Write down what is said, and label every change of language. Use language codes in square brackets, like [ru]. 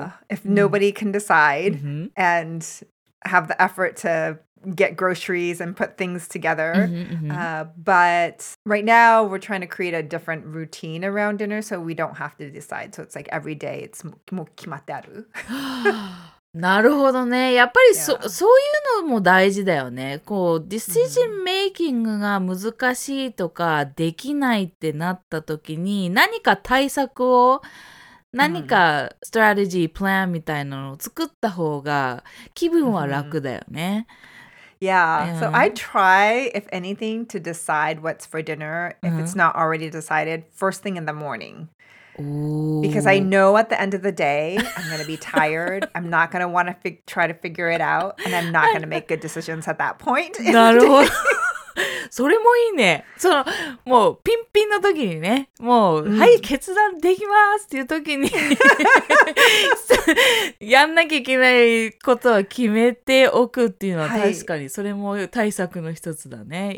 [en] If nobody can decide and have the effort to get groceries and put things together. But right now we're trying to create a different routine around dinner so we don't have to decide. So it's like every day it's [ja] もう決まってある。なるほどね。やっぱり そういうのも大事だよね。こう、ディシジンメイキングが難しいとか、できないってなった時に、何か対策を、何かストラテジー、プランみたいなのを作った方が、気分は楽だよね。 [en] Yeah, so I try, if anything, to decide what's for dinner, if it's not already decided, first thing in the morning. Because I know at the end of the day, I'm going to be tired. I'm not going to want to try to figure it out. And I'm not going to make good decisions at that point. [ja] なるほど。それもいいね。その、もうピンピンの時にね、もう、はい、決断できますっていう時に、やんなきゃいけないことは決めておくっていうのは確かに、それも対策の一つだね。